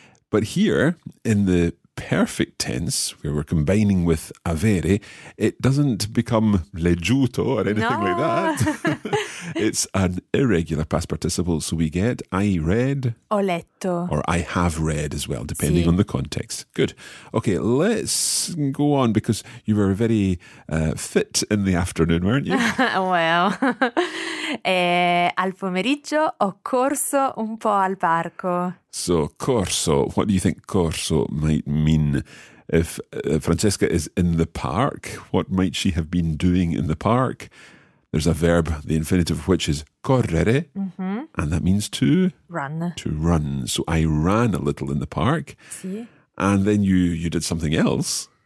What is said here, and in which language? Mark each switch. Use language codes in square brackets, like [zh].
[en] But here, in the perfect tense, where we're combining with avere, it doesn't become leggiuto or anything like that. It's an irregular past participle, so we get I read. [it] Ho letto. [en] Or I have read as well, depending on the context. Good. Okay, let's go on, because you were very fit in the afternoon, weren't you? [it] Well, al pomeriggio ho corso un po' al parco. [en] So, corso, what do you think corso might mean? If Francesca is in the park, what might she have been doing in the park? There's a verb, the infinitive of which is correre, and that means to? Run. To run. So I ran a little in the park, and then you did something else.